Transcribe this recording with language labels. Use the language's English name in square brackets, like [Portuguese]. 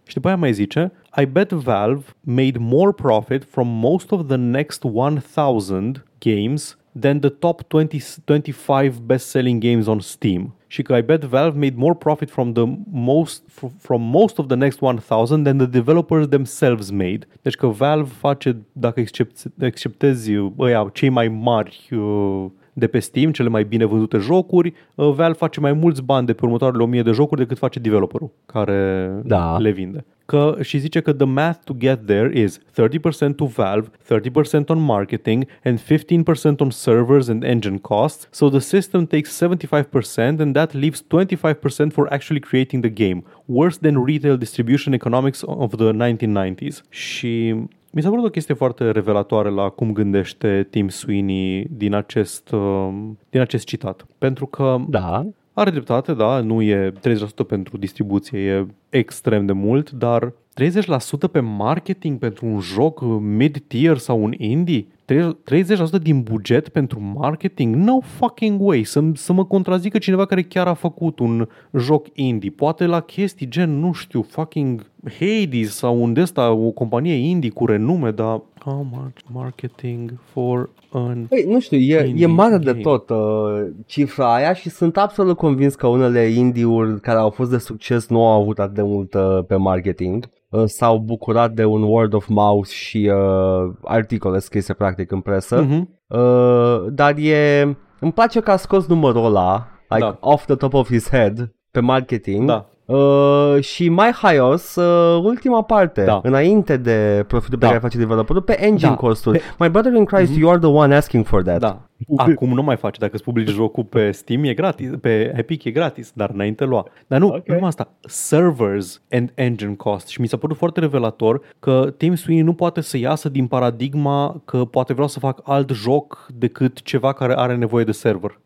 [Romanian] Și după aia mai zice, [English] I bet Valve made more profit from most of the next 1,000 games than the top 25 best-selling games on Steam. [Romanian] Și că [English] I bet Valve made more profit from most of the next 1,000 than the developers themselves made. [Romanian] Deci că Valve face, dacă exceptezi ăia, cei mai mari de pe Steam, cele mai bine vândute jocuri, Valve face mai mulți bani de pe următoarele 1000 de jocuri decât face developerul care da. Le vinde. Că, și zice că [English] the math to get there is 30% to Valve, 30% on marketing and 15% on servers and engine costs, so the system takes 75% and that leaves 25% for actually creating the game, worse than retail distribution economics of the 1990s. [Romanian] Și mi s-a părut o chestie foarte revelatoare la cum gândește Tim Sweeney din acest citat. Pentru că da. Are dreptate, da, nu e 30% pentru distribuție, e extrem de mult, dar 30% pe marketing pentru un joc mid-tier sau un indie? 30% din buget pentru marketing? [English] No fucking way! [Romanian] Să mă contrazică cineva care chiar a făcut un joc indie. Poate la chestii gen, nu știu, fucking Hades sau un desta, o companie indie cu renume, dar [English] how much marketing for an [Romanian] păi, nu știu, e mare game. De tot cifra aia și sunt absolut convins că unele indie-uri care au fost de succes nu au avut atât de mult pe marketing. S-au bucurat de un word of mouth și articole scrise practic în presă, dar îmi place că a scos numărul ăla, like, da. [English] Off the top of his head, [Romanian] pe marketing, da. Și mai haios, ultima parte, da. Înainte de profitul pe da. Care face developerul, pe engine da. Costuri. [English] My brother in Christ, you are the one asking for that. [Romanian] Da. Acum nu mai face, dacă îți publici jocul pe Steam e gratis, pe Epic e gratis, dar înainte lua. Dar nu, okay. Numai asta, [English] servers and engine cost. [Romanian] Și mi s-a părut foarte revelator că Tim Sweeney nu poate să iasă din paradigma că poate vreau să fac alt joc decât ceva care are nevoie de server.